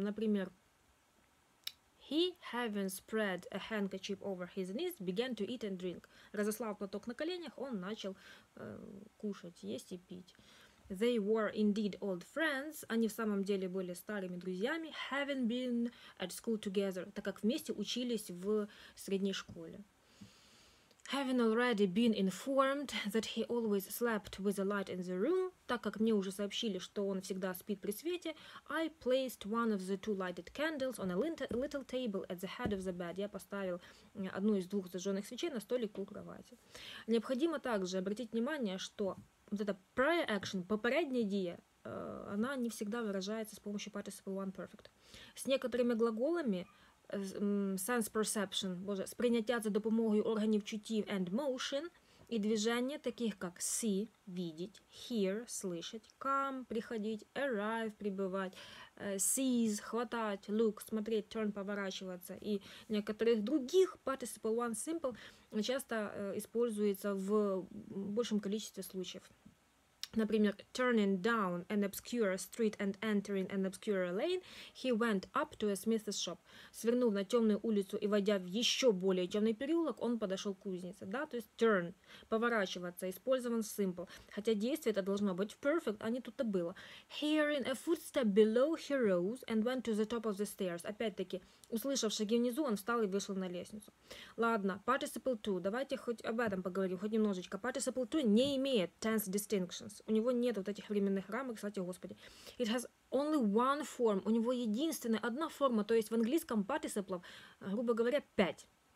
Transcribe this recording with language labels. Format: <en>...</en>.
<en>Например, he, having spread a handkerchief over his knees, began to eat and drink.</en> <ru>Разослав платок на коленях, он начал кушать, есть и пить.</ru> <en>They were indeed old friends.</en> <ru>Они в самом деле были старыми друзьями.</ru> <en>Having been at school together.</en> <ru>Так как вместе учились в средней школе.</ru> <en>Having already been informed that he always slept with a light in the room.</en> <ru>Так как мне уже сообщили, что он всегда спит при свете.</ru> <en>I placed one of the two lighted candles on a little table at the head of the bed.</en> <ru>Я поставил одну из двух зажженных свечей на столик у кровати. Необходимо также обратить внимание, что вот эта prior action, попередняя идея, она не всегда выражается с помощью participle one perfect. С некоторыми глаголами sense perception, боже, с принятием</ru> <uk>за допомогою органів чуттів</uk> <en>and motion</en> <ru>и движения, таких как see, видеть, hear, слышать, come, приходить, arrive, прибывать, seize, хватать, look, смотреть, turn, поворачиваться и некоторых других, participle one simple часто используется в большем количестве случаев.</ru> <en>Например, turning down an obscure street and entering an obscure lane, he went up to a smith's shop.</en> <ru>Свернув на темную улицу и войдя в еще более темный переулок, он подошел к кузнице. Да, то есть turn, поворачиваться, использован simple. Хотя действие это должно быть в perfect, а не тут-то было.</ru> <en>Hearing a footstep below, he rose and went to the top of the stairs.</en> <ru>Опять-таки, услышав шаги внизу, он встал и вышел на лестницу. Ладно, participle two. Давайте хоть об этом поговорим, хоть немножечко. Participle two не имеет tense distinctions. у него нет вот этих временных рамок, слава Господи.</ru> <en>It has only one form.</en> <ru>У него единственная одна форма, то есть в английском participle, грубо говоря, 5.</ru>